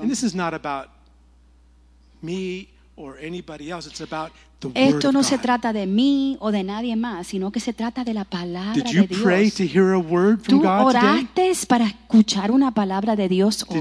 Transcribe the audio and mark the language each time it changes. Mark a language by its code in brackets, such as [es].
[en] And this is not about me or anybody else. It's about [es] Esto no [en] God. [es] Se trata de mí o de nadie más, sino que se trata de la palabra de Dios. [en] Did you pray to hear a word from God today? [es] ¿Tú oraste para escuchar una palabra de Dios hoy?